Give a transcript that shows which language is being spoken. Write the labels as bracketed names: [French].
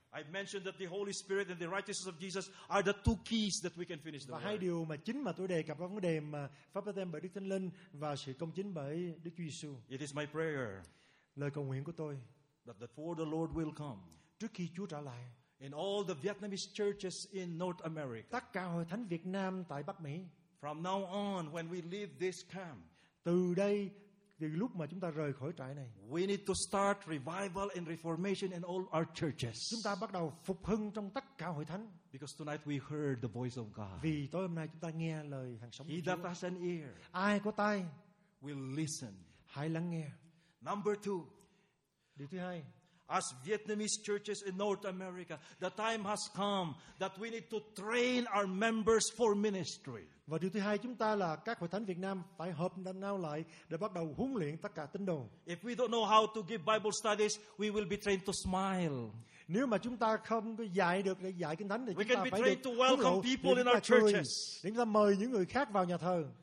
[English] I've mentioned that the Holy Spirit and the righteousness of Jesus are the two keys that we can finish the work. [Vietnamese] Và hai điều mà chính mà tôi đề cập là vấn đề mà Pháp Bắp-têm bởi Đức Thánh Linh và sự công chính bởi Đức Chúa Giêsu. [English] It is my prayer. [Vietnamese] Lời cầu nguyện của tôi. [English] That before the Lord will come. [Vietnamese] Trước khi Chúa trở lại. [English] In all the Vietnamese churches in North America. [Vietnamese] Tất cả hội thánh Việt Nam tại Bắc Mỹ. [English] From now on when we leave this camp. [Vietnamese] Từ đây thì lúc mà chúng ta rời khỏi trại này, [English] we need to start revival and reformation in all our churches. [Vietnamese] Chúng ta bắt đầu phục hưng trong tất cả hội thánh. [English] Because tonight we heard the voice of God. [Vietnamese] Vì tối hôm nay chúng ta nghe lời hằng sống. [English] He that has an ear, [Vietnamese] ai có tai, [English] will listen. [Vietnamese] Hãy lắng nghe. [English] Number two, [Vietnamese] điều thứ hai, [English] as Vietnamese churches in North America, the time has come that we need to train our members for ministry. [Vietnamese] Và điều thứ hai chúng ta là các hội thánh Việt Nam phải hợp nhau lại để bắt đầu huấn luyện tất cả tín đồ. [English] If we don't know how to give Bible studies, we will be trained to smile. [Vietnamese] Nếu mà chúng ta không có dạy được để dạy kinh thánh thì chúng ta phải [English] trained to welcome people in our churches. [Vietnamese] Chúng ta mời những người khác vào nhà thờ.